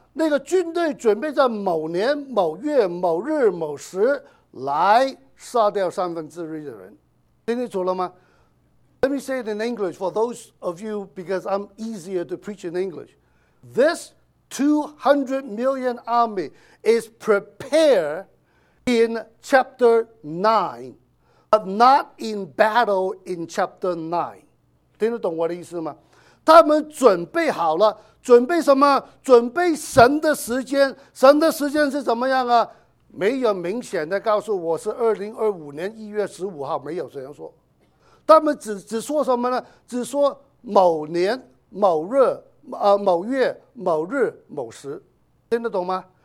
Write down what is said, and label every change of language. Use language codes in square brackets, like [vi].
[zh] 那个军队准备在某年某月某日某时来杀掉三分之一的人，听清楚了吗？ [en] Let me say it in English for those of you, because I'm easier to preach in English. This 200 million army is prepared in chapter 9, but not in battle in chapter 9. [zh] 听得懂我的意思吗？他们准备好了，准备什么？准备神的时间。神的时间是怎么样啊？没有明显的告诉我是2025年1月15号，没有这样说。他们 只说什么呢？只说某年某日某月某日某时，听得懂吗？